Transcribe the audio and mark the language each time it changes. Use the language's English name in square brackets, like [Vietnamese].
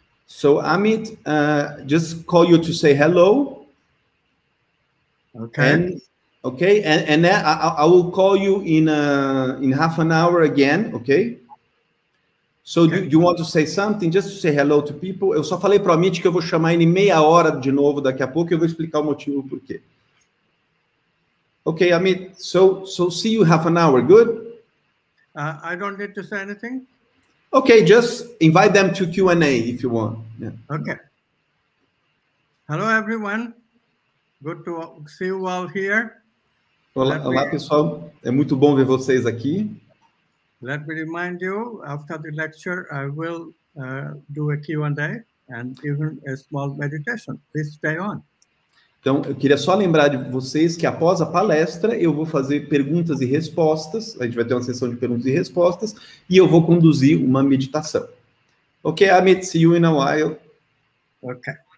[English] So, Amit, just call you to say hello. Okay. And then I will call you in half an hour again, okay? So, okay. Do you want to say something? Just to say hello to people. [Portuguese] Eu só falei para o Amit que eu vou chamar ele em meia hora de novo daqui a pouco e eu vou explicar o motivo por quê. [English] Okay, Amit. So see you half an hour. Good? I don't need to say anything. Okay, just invite them to Q&A if you want. Yeah. Okay. Hello, everyone. Good to see you all here. [Portuguese] Olá, pessoal. É muito bom ver vocês aqui. [English] Let me remind you, after the lecture, I will do a Q&A and even a small meditation. Please stay on. [Portuguese] Então, eu queria só lembrar de vocês que após a palestra, eu vou fazer perguntas e respostas. A gente vai ter uma sessão de perguntas e respostas. E eu vou conduzir uma meditação. [English] Ok, Amit, see you in a while. Ok.